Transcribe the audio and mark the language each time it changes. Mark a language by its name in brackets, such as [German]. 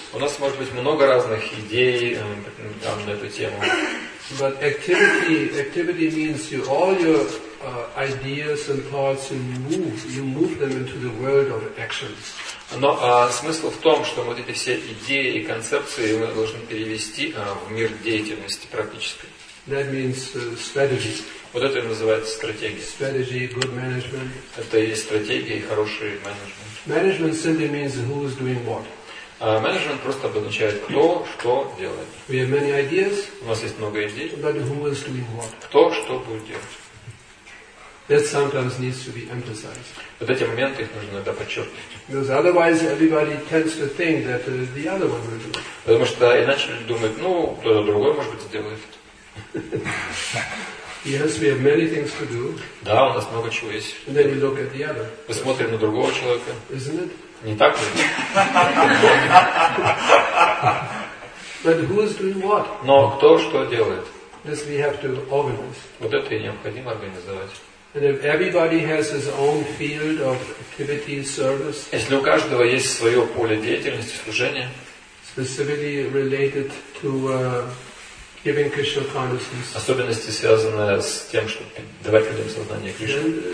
[Russian] У нас может быть много разных идей там на эту тему. [English] But activity means you all your ideas and thoughts you move them into the world of actions. [Russian] Но смысл в том, что вот эти все идеи и концепции мы должны перевести в мир деятельности практической. [English] That means strategy. [Russian] Вот это и называется стратегия. [English] Strategy, good management. [Russian] Это и есть стратегия и хороший менеджмент. [English] Management simply means who is doing what. [Russian] Management просто обозначает кто что делает. [English] We have many ideas. [Russian] У нас есть много идей. [English] But who is doing what? [Russian] Кто что будет делать? [English] That sometimes needs to be emphasized. [Russian] Вот эти моменты их нужно иногда подчеркивать. [English] Because otherwise everybody tends to think that the other one will do. [Russian] Потому что иначе люди думают, ну кто-то другой может быть сделает. [English] Yes, we have many things to do. [Russian] Да, у нас много чего есть. [English] And then we look at the other. [Russian] Мы смотрим на другого человека. [English] Isn't it? [Russian] Не так ли? [English] But who is doing what? [Russian] Но кто что делает? [English] This we have to organize. [Russian] Вот это и необходимо организовать. [English] And if everybody has his own field of activity and service. [Russian] Если у каждого есть свое поле деятельности, служения. [English] Specifically related to giving Krishna consciousness. [Russian] Особенности, связанные с тем, чтобы давать людям сознание Кришны.